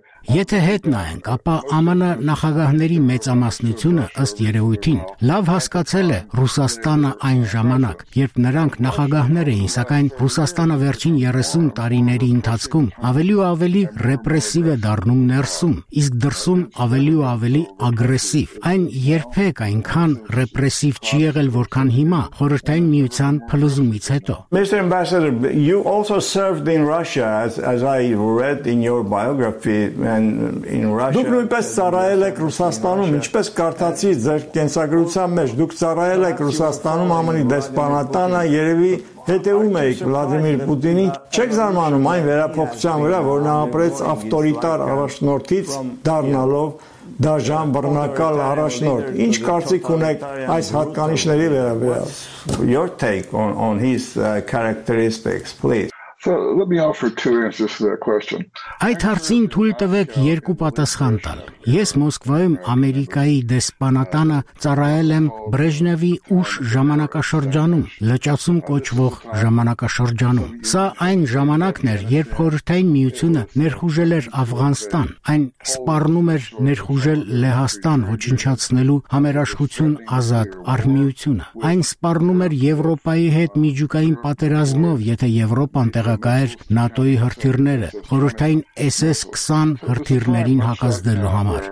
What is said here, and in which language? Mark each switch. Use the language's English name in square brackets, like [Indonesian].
[Armenian] Եթե հետ նայենք, ապա ԱՄՆ նախագահների մեծամասնությունը ըստ երևույթին լավ հասկացել է Ռուսաստանը այն ժամանակ, երբ նրանք նախագահներ էին, սակայն Ռուսաստանը վերջին 30 տարիների ընթացքում ավելի ու ավելի ռեպրեսիվ է դառնում ներսում, իսկ դրսում ավելի ու ավելի ագրեսիվ։ Այն երբեք այնքան ռեպրեսիվ չի եղել, որքան հիմա Խորհրդային Միության փլուզումից հետո։ [English] Mr. Ambassador, you also served in Russia as I read in your biography. [Armenian] Դուք նույնպես ծառայել եք Ռուսաստանում, ինչպես կարդացի ձեր կենսագրության մեջ, դուք ծառայել եք Ռուսաստանում ԱՄՆ-ի դեսպանատանը, երևի հետևում էիք Վլադիմիր Պուտինին, չեք զարմանում այն վերափոխության վրա, որ նա ապրեց ավտորիտար առաջնորդից դառնալով դաժան բռնակալ առաջնորդ։ Ինչ կարծիք ունեք այս հատկանիշների վերաբերյալ? [English] Your take on his characteristics, please. So let me offer two answers to that question. [Armenian] Այդ հարցին թույլ տվեք երկու պատասխան տալ։ Ես Մոսկվայում Ամերիկայի դեսպանատանը ծառայել եմ Բրեժնևի ուշ ժամանակաշրջանում, լճացում կոչվող ժամանակաշրջանում։ Սա այն ժամանակն էր, երբ Խորհրդային Միությունը ներխուժել էր Աֆղանստան, այն սպառնում էր ներխուժել Լեհաստան, ոչնչացնելու համերաշխություն ազատ արմիությունը։ Այն սպառնում էր Եվրոպայի հետ միջուկային պատերազմով, եթե Եվրոպան տեղակայեր ՆԱՏՕ-ի հրթիռները, խորհրդային SS-20 հրթիռներին հակազդելու համար։